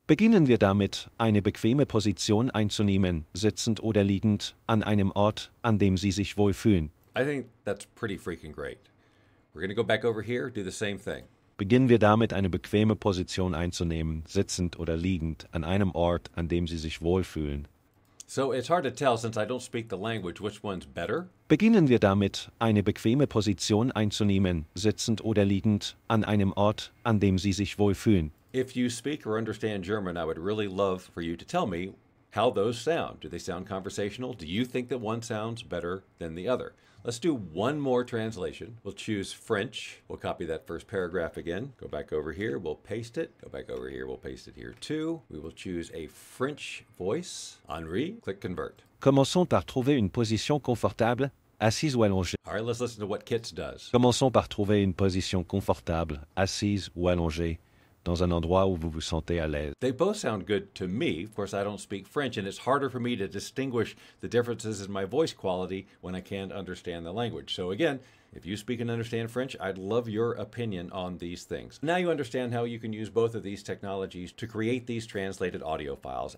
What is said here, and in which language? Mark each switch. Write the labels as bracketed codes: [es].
[de] Beginnen wir damit, eine bequeme Position einzunehmen, sitzend oder liegend, an einem Ort, an dem Sie sich wohlfühlen. [en] I think that's pretty freaking great. We're going to go back over here, do the same thing. [de] Beginnen wir damit, eine bequeme Position einzunehmen, sitzend oder liegend, an einem Ort, an dem Sie sich wohlfühlen. [en] So it's hard to tell, since I don't speak the language, which one's better. [de] Beginnen wir damit, eine bequeme Position einzunehmen, sitzend oder liegend, an einem Ort, an dem Sie sich wohlfühlen. [en] If you speak or understand German, I would really love for you to tell me how those sound. Do they sound conversational? Do you think that one sounds better than the other? Let's do one more translation. We'll choose French. We'll copy that first paragraph again. Go back over here. We'll paste it. Go back over here. We'll paste it here too. We will choose a French voice. Henri, click convert. [fr] Commençons par trouver une position confortable, assise ou allongée. [en] All right, let's listen to what Kits does. [fr] Commençons par trouver une position confortable, assise ou allongée, dans un endroit où vous vous sentez à l'aise. [en] They both sound good to me. Of course, I don't speak French, and it's harder for me to distinguish the differences in my voice quality when I can't understand the language. So again, if you speak and understand French, I'd love your opinion on these things. Now you understand how you can use both of these technologies to create these translated audio files.